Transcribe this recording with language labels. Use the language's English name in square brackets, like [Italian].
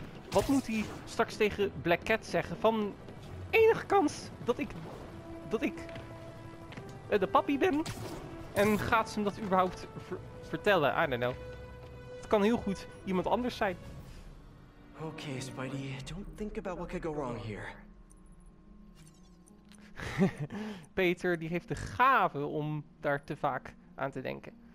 [Dutch] Wat moet hij straks tegen Black Cat zeggen? Van enige kans dat ik de papi ben? En gaat ze hem dat überhaupt vertellen? [English] I don't know. [Dutch] Het kan heel goed iemand anders zijn. [English] Okay, Spidey, don't think about what could go wrong here. [Dutch] Peter, die heeft de gave om daar te vaak aan te denken.